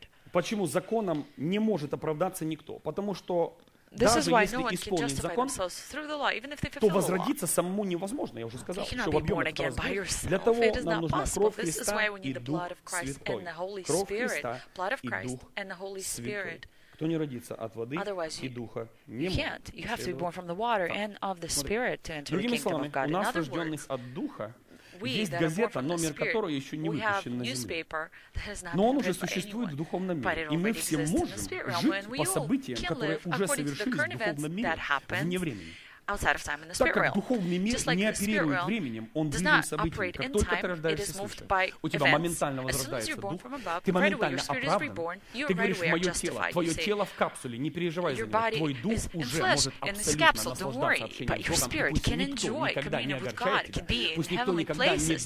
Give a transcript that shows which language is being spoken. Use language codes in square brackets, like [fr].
[ru] Почему законом, не может оправдаться никто? Потому что даже если исполнить закон, то возродиться самому невозможно, я уже сказал, что в объеме это разбор. Для того нам нужна кровь Христа и Дух Святой. Кровь Христа и Дух Святой. Кто не родится от воды и духа, не может. [en] You have to be born from the water and of the spirit to enter the kingdom of God. [ru] У нас рожденных от духа есть газета, номер которой еще не выпущен на земле. Но он уже существует в духовном мире. И мы все можем жить по событиям, которые уже совершились в духовном мире вне времени. [en] Outside of time in the spirit realm. Just like the spirit realm [ru] временем, [en] does not operate in time, it is moved by events. As soon as you're born from above, right away your spirit is reborn, you right away are justified. You say, your body is in flesh, in this capsule, don't worry, but your spirit can enjoy communion with God, can be in heavenly places.